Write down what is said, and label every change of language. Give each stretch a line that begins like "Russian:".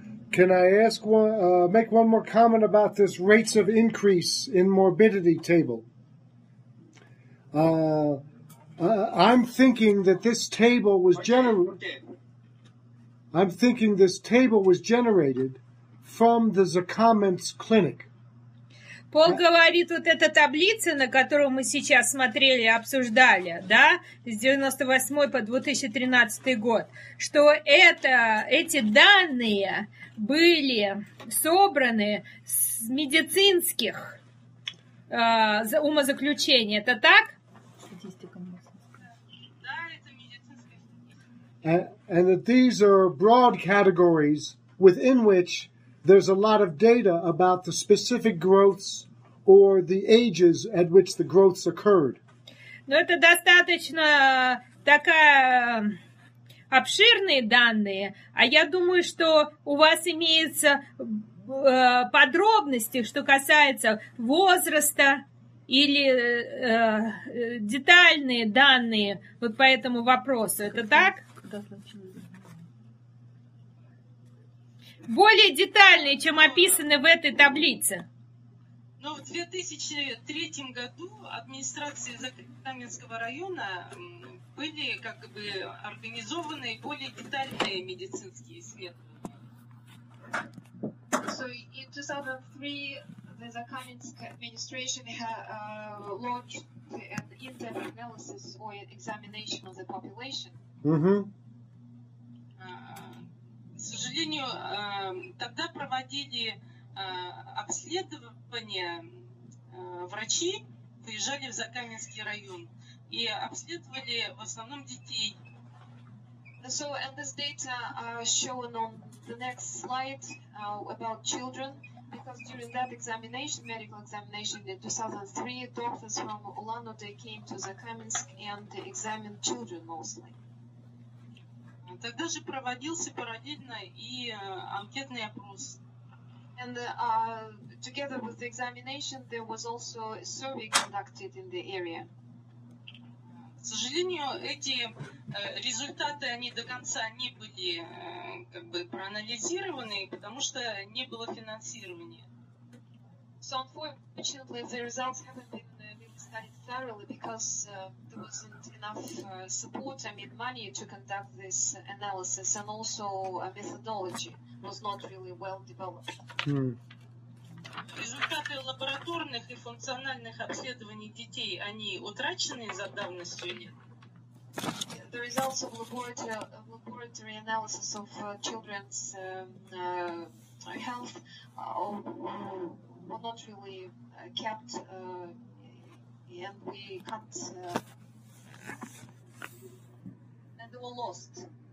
English: Can I ask one, make one more comment about this rates of increase in morbidity table? I'm thinking that this table was I'm thinking this table was generated from the Закаменск clinic.
Russian: Пол говорит, вот эта таблица, на которую мы сейчас смотрели, обсуждали, да, с 98 по 2013 год, что эти данные были собраны с медицинских умозаключений. Это так? Статистика. Да, это медицинская.
English: And that these are broad categories within which there's a lot of data about the specific growths or the ages at which the growths occurred.
Russian: Но это достаточно такая обширные данные, а я думаю, что у вас имеются подробности, что касается возраста или детальные данные вот по этому вопросу. Это так? Более детальные, чем описаны в этой таблице. Но в 2003 году администрации Закаменского района были как бы организованы более детальные медицинские исследования.
English: So in 2003, the Закаменск administration launched an interim analysis or examination of the population. Mm-hmm.
Russian: К сожалению, тогда проводили обследование, врачи приезжали в Закаменский район и обследовали в основном детей.
English: So, and this data shown on the next slide about children, because during that examination, medical examination in 2003, doctors from Улан-Удэ came to Закаменск and examined children mostly.
Russian: Тогда же проводился параллельно и анкетный опрос.
English: And together with the examination, there was also a survey conducted in the area.
Russian: К сожалению, эти результаты, они до конца не были как бы проанализированы, потому что не было финансирования.
English: So, unfortunately, the results haven't been really studied thoroughly because there wasn't enough support, I mean money to conduct this analysis, and also methodology was not really well developed.
Russian: Результаты лабораторных и функциональных обследований детей, они утрачены за давностью лет?
English: The results of laboratory analysis of children's health were not really kept, and we can't, and they were lost.